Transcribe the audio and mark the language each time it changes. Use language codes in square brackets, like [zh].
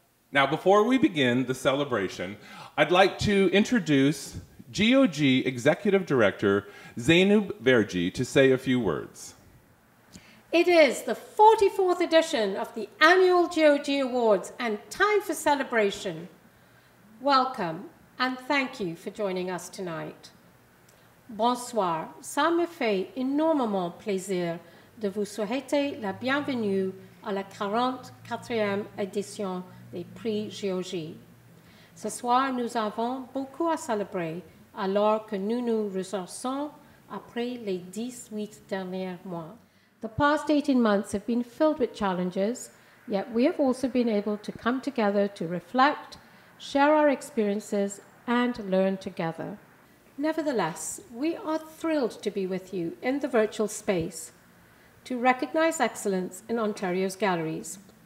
[en] Now, before we begin the celebration, I'd like to introduce GOG Executive Director Zainub Verjee to say a few words. It is the 44th edition of the annual GOG Awards and time for celebration. Welcome and thank you for joining us tonight. [fr] Bonsoir, ça me fait énormément plaisir de vous souhaiter la bienvenue à la 44e édition des Prix GOG. Ce soir, nous avons beaucoup à célébrer alors que nous nous ressourçons après les 18 derniers mois. [en] The past 18 months have been filled with challenges, yet we have also been able to come together to reflect, share our experiences, and learn together. Nevertheless, we are thrilled to be with you in the virtual space to recognize excellence in Ontario's galleries.